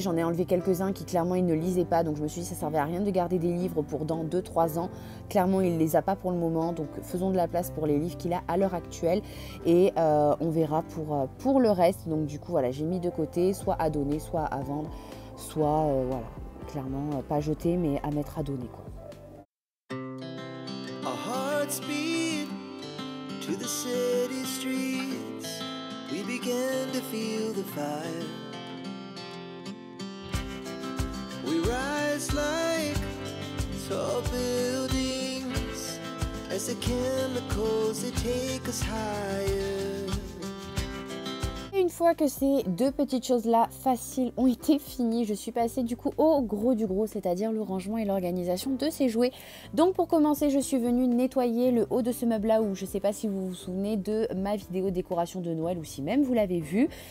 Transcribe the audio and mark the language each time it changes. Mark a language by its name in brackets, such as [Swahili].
[French] J'en ai enlevé quelques-uns qui, clairement, il ne lisait pas. Donc, je me suis dit, ça ne servait à rien de garder des livres pour dans 2-3 ans. Clairement, il ne les a pas pour le moment. Donc, faisons de la place pour les livres qu'il a à l'heure actuelle. Et on verra pour le reste. Donc, du coup, voilà, j'ai mis de côté, soit à donner, soit à vendre. Soit, voilà, clairement, pas jeter, mais à mettre à donner, quoi. [English] A heart speed to the city streets. We began to feel the fire. We rise like tall buildings as the chemicals they take us higher. [French] Une fois que ces deux petites choses-là faciles ont été finies, je suis passée du coup au gros du gros, c'est-à-dire le rangement et l'organisation de ces jouets. Donc pour commencer, je suis venue nettoyer le haut de ce meuble-là où je ne sais pas si vous vous souvenez de ma vidéo décoration de Noël ou si même vous l'avez vu.